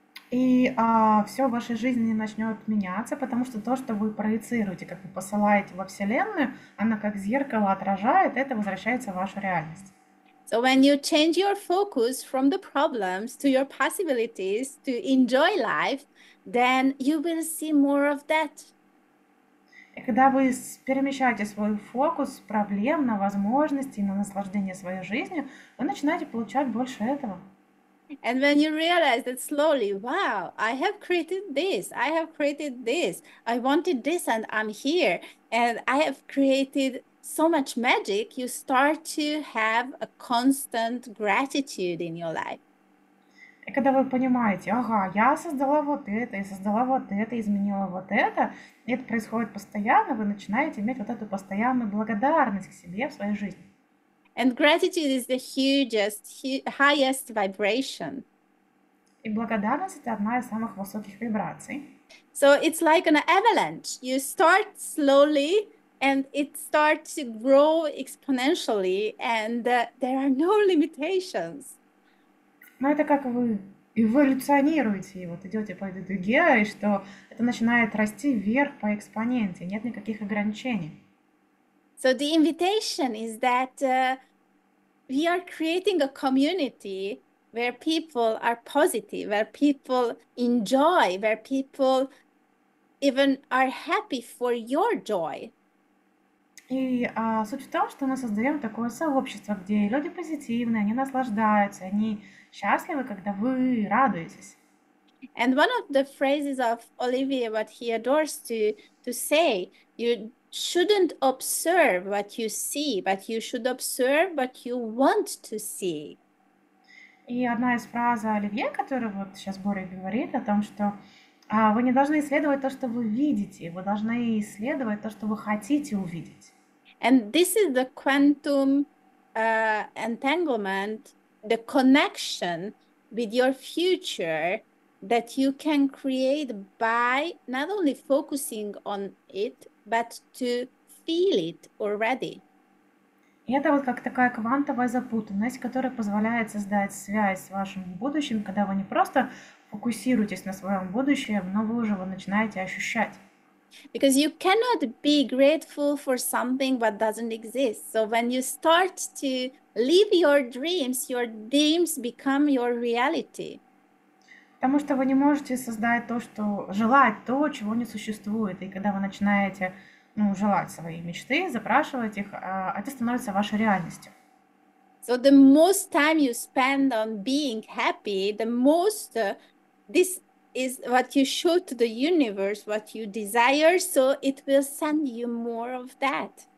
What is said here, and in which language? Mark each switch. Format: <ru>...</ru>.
<ru>И все в вашей жизни начнет меняться, потому что то, что вы проецируете, как вы посылаете во Вселенную, она как зеркало отражает, это возвращается в вашу реальность.</ru> <en>So when you change your focus from the problems to your possibilities to enjoy life, then you will see more of that.</en> <ru>И когда вы перемещаете свой фокус с проблем на возможности и на наслаждение своей жизнью, вы начинаете получать больше этого.</ru> <en>And when you realize that slowly, wow, I have created this, I have created this, I wanted this and I'm here, and I have created so much magic, you start to have a constant gratitude in your life.</en> <ru>И когда вы понимаете, ага, я создала вот это, я создала вот это, изменила вот это, и это происходит постоянно, вы начинаете иметь вот эту постоянную благодарность к себе в своей жизни.</ru> <en>And gratitude is the highest vibration.</en> <ru>И благодарность — это одна из самых высоких вибраций.</ru> <en>So it's like an avalanche. You start slowly and it starts to grow exponentially and there are no limitations.</en> <ru>Но это как вы эволюционируете, и вот идете по этой дуге, и что это начинает расти вверх по экспоненте, нет никаких ограничений.</ru> <en>So the invitation is that we are creating a community where people are positive, where people enjoy, where people even are happy for your joy.</en> <ru>И суть в том, что мы создаем такое сообщество, где люди позитивные, они наслаждаются, они счастливы, когда вы радуетесь.</ru> <en>And one of the phrases of Olivier, what he adores to say, you shouldn't observe what you see, but you should observe what you want to see.</en> <ru>И одна из фраз Оливье, которая вот сейчас Боря говорит о том, что Вы не должны исследовать то, что вы видите. Вы должны исследовать то, что вы хотите увидеть.</ru> <en>And this is the quantum entanglement, the connection with your future that you can create by not only focusing on it, but to feel it already.</en> <ru>И это вот как такая квантовая запутанность, которая позволяет создать связь с вашим будущим, когда вы не просто фокусируетесь на своем будущем, но вы уже его начинаете ощущать.</ru> <en>Because you cannot be grateful for something that doesn't exist. So when you start to live your dreams become your reality.</en> <ru>Потому что вы не можете создать то, что желать то, чего не существует. И когда вы начинаете желать свои мечты, запрашивать их, это становится вашей реальностью.</ru> <en>So the most time you spend on being happy, the most this is what you show to the universe, what you desire, so it will send you more of that.</en>